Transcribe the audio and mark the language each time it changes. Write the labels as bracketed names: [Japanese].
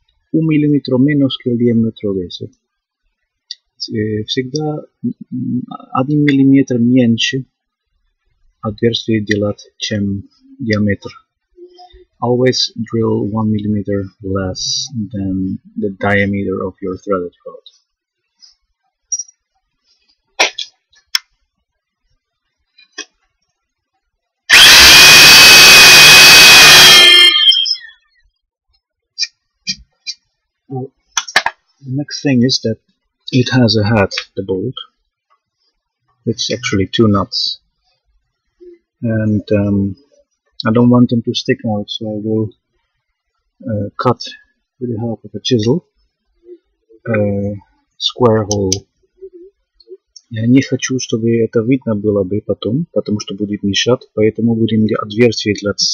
[Spanish] Un milímetro menos que el diámetro de ese. [Russian] Всегда один миллиметр меньше отверстие делать, чем диаметр. [English] Always drill 1 millimeter less than the diameter of your threaded rod. The next thing is that it has a head, the bolt. It's actually two nuts. And I don't want them to stick out, so I will cut with the help of a chisel a square hole. [Russian] Я не хочу, чтобы это видно было бы потом, потому что будет мешать, поэтому будем отверстие для...